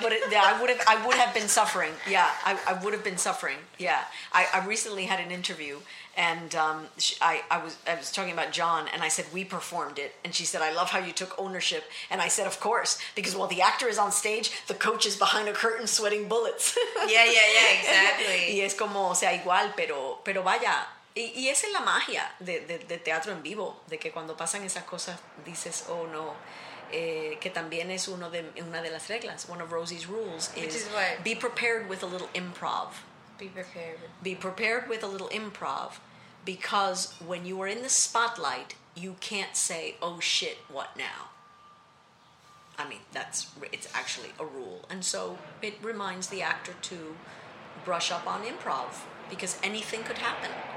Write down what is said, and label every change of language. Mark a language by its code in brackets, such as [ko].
[en] But I would have been suffering. Yeah. I would have been suffering. Yeah. I recently had an interview and I was talking about John and I said, we performed it. And she said, I love how you took ownership. And I said, of course, because while the actor is on stage, the coach is behind a curtain sweating bullets. Yeah. Exactly. [es] Y es como, o sea, igual, pero vaya. Y esa es la magia de teatro en vivo, de que cuando pasan esas cosas dices, oh no, que también es una de las reglas, [en] one of Rosie's rules is what? Be prepared with a little improv. Be prepared with a little improv, because when you are in the spotlight, you can't say, oh shit, what now? I mean, it's actually a rule. And so it reminds the actor to brush up on improv, because anything could happen.